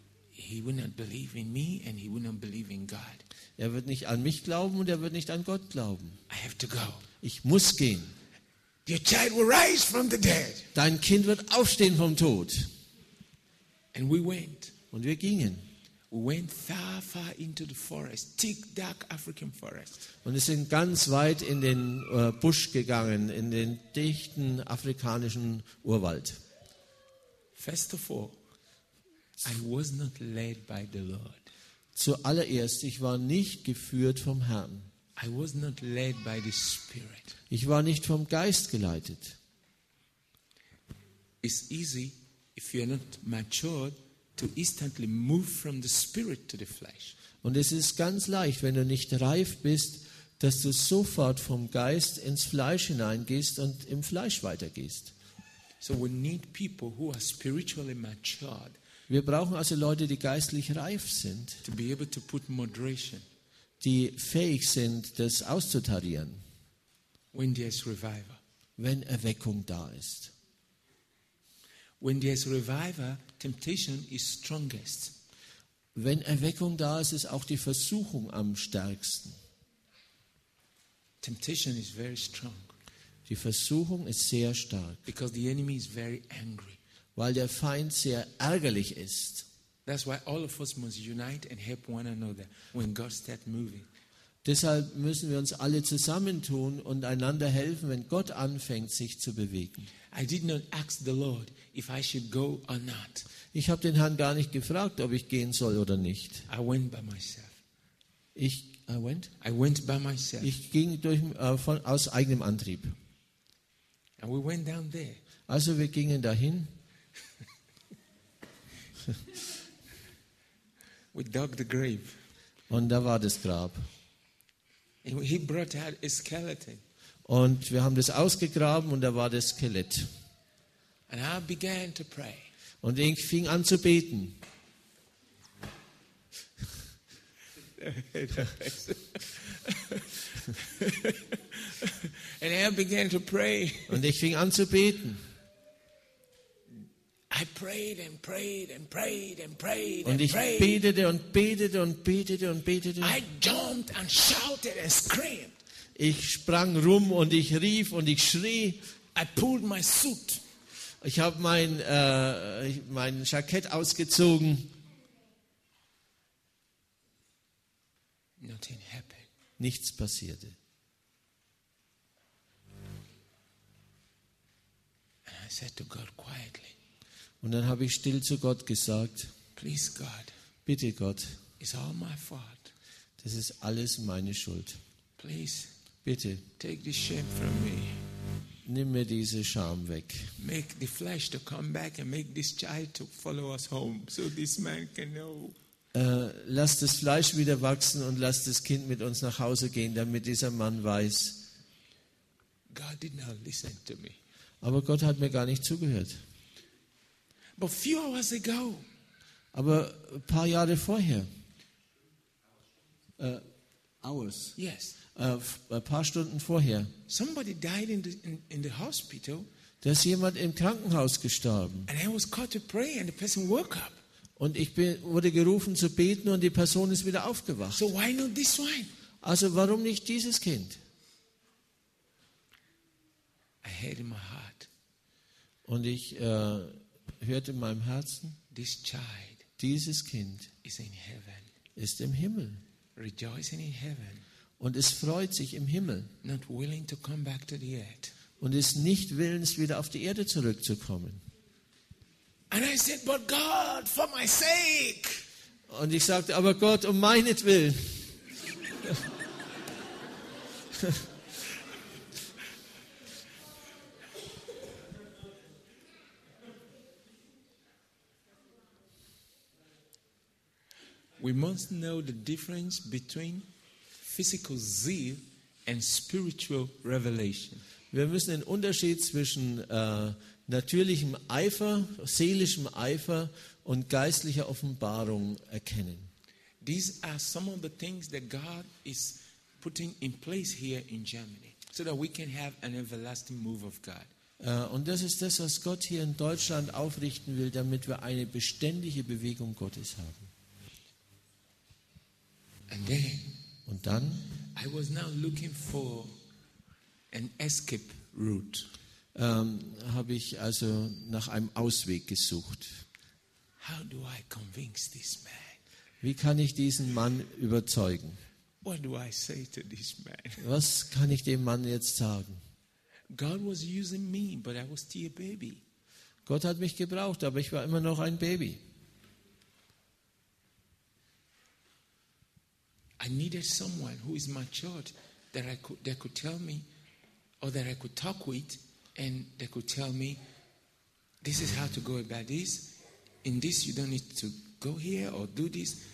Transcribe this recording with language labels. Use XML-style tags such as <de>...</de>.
<en>He will not believe in me and he will not believe in God.</en> <de>Er wird nicht an mich glauben und er wird nicht an Gott glauben.</de> <en>I have to go.</en> <de>Ich muss gehen.</de> <en>Your child will rise from the dead.</en> <de>Dein Kind wird aufstehen vom Tod.</de> <en>And we went.</en> <de>Und wir gingen.</de> <en>We went far, far into the forest, thick, dark African forest.</en> <de>Und wir sind ganz weit in den Busch gegangen, in den dichten afrikanischen Urwald.</de> <en>First of all, I was not led by the Lord.</en> <de>Zuallererst, ich war nicht geführt vom Herrn.</de> <en>I was not led by the Spirit.</en> <de>Ich war nicht vom Geist geleitet.</de> <en>It's easy if you're not matured to instantly move from the Spirit to the flesh.</en> <de>Und es ist ganz leicht, wenn du nicht reif bist, dass du sofort vom Geist ins Fleisch hineingehst und im Fleisch weitergehst.</de> <en>So we need people who are spiritually matured.</en> <de>Wir brauchen also Leute, die geistlich reif sind,</de> <en>to be able to put moderation,</en> <de>die fähig sind, das auszutarieren,</de> <en>when there is revival,</en> <de>wenn Erweckung da ist.</de> <en>When there is revival, temptation is strongest.</en> <de>Wenn Erweckung da ist, ist auch die Versuchung am stärksten.</de> <en>Temptation is very strong.</en> <de>Die Versuchung ist sehr stark.</de> <en>Because the enemy is very angry.</en> <de>Weil der Feind sehr ärgerlich ist.</de> <en>That's why all of us must unite and help one another when God starts moving.</en> <de>Deshalb müssen wir uns alle zusammentun und einander helfen, wenn Gott anfängt, sich zu bewegen.</de> <en>I did not ask the Lord if I should go or not.</en> <de>Ich habe den Herrn gar nicht gefragt, ob ich gehen soll oder nicht.</de> <en>I went by myself. I went by myself.</en> <de>Ich ging durch aus eigenem Antrieb.</de> <en>And we went down there.</en> <de>Also wir gingen dahin.</de> <en>We dug the grave.</en> <de>Und da war das Grab.</de> <en>And he brought out a skeleton.</en> <de>Und wir haben das ausgegraben und da war das Skelett.</de> <en>And I began to pray.</en> <de>Und ich fing an zu beten.</de> <en>And I began to pray.</en> <de>Und ich fing an zu beten.</de> <en>I prayed and prayed and prayed and prayed.</en> <de>Und ich betete und betete und betete und betete.</de> <en>I jumped and shouted and screamed.</en> <de>Ich sprang rum und ich rief und ich schrie.</de> <en>I pulled my suit.</en> <de>Ich habe mein Jackett ausgezogen.</de> <en>Nothing happened.</en> <de>Nichts passierte.</de> <en>And I said to God quietly.</en> <de>Und dann habe ich still zu Gott gesagt,</de> <en>please God,</en> <de>bitte Gott,</de> <en>it's all my fault.</en> <de>Das ist alles meine Schuld.</de> <en>Please,</en> <de>bitte,</de> <en>take the shame from me.</en> <de>Nimm mir diese Scham weg.</de> <en>Make the flesh to come back and make this child to follow us home, so this man can know.</en> <de>Lass das Fleisch wieder wachsen und lass das Kind mit uns nach Hause gehen, damit dieser Mann weiß.</de> <en>God did not listen to me.</en> <de>Aber Gott hat mir gar nicht zugehört.</de> <en>But few hours ago,</en> <de>aber ein paar Jahre vorher,</de> <en>hours,</en> <de>yes, ein paar Stunden vorher,</de> <en>somebody died in the hospital,</en> <de>da ist jemand im Krankenhaus gestorben,</de> <en>and I was called to pray and the person woke up,</en> <de>und ich wurde gerufen zu beten und die Person ist wieder aufgewacht.</de> <en>So why not this one?</en> <de>Also warum nicht dieses Kind?</de> <en>I heard in my heart,</en> <de>und ich hört in meinem Herzen,</de> <en>this child,</en> <de>dieses Kind</de> <en>is in heaven,</en> <de>ist im Himmel,</de> <en>rejoicing in heaven,</en> <de>und es freut sich im Himmel,</de> <en>not willing to come back to the earth,</en> <de>und ist nicht willens, wieder auf die Erde zurückzukommen.</de> <en>And I said, but God, for my sake.</en> <de>Und ich sagte, aber Gott, um meinetwillen.</de> <en>We must know the difference between physical zeal and spiritual revelation.</en> <de>Wir müssen den Unterschied zwischen natürlichem Eifer, seelischem Eifer und geistlicher Offenbarung erkennen.</de> <en>These are some of the things that God is putting in place here in Germany, so that we can have an everlasting move of God.</en> <de>Und das ist das, was Gott hier in Deutschland aufrichten will, damit wir eine beständige Bewegung Gottes haben.</de> <en>And then,</en> <de>und dann,</de> <en>I was now looking for an escape route.</en> <de>Habe ich also nach einem Ausweg gesucht.</de> <en>How do I convince this man?</en> <de>Wie kann ich diesen Mann überzeugen?</de> <en>What do I say to this man?</en> <de>Was kann ich dem Mann jetzt sagen?</de> <en>God was using me, but I was still a baby.</en> <de>Gott hat mich gebraucht, aber ich war immer noch ein Baby.</de> <en>I needed someone who is matured that I could that could tell me or that I could talk with and that could tell me this is how to go about this. In this you don't need to go here or do this.</en>